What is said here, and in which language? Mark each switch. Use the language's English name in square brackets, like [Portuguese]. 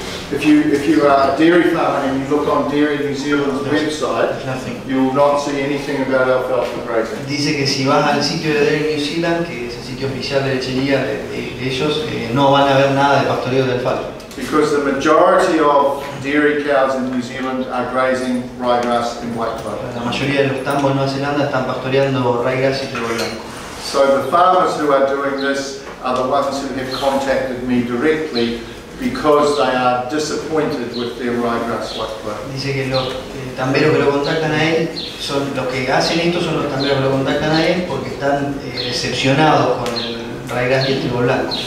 [English] If you are a dairy farmer and you look on Dairy New Zealand's website, nothing. You will not see anything about alfalfa grazing. [Spanish] Dice que si vas al sitio de Dairy New Zealand, que es el sitio oficial de lechería de ellos, no van a ver nada de pastoreo de alfalfa. [English] Because the majority of dairy cows in New Zealand are grazing ryegrass and white clover. [Spanish] La mayoría de los tambos en Nueva Zelanda están pastoreando ryegrass y trigo blanco. [English] So the farmers who are doing this are the ones who have contacted me directly because they are disappointed with their ryegrass workload. [Spanish] Dice que los tamberos que lo contactan a él son los que hacen esto, son los tamberos que lo contactan a él porque están decepcionados con el ryegrass y el trigo blanco.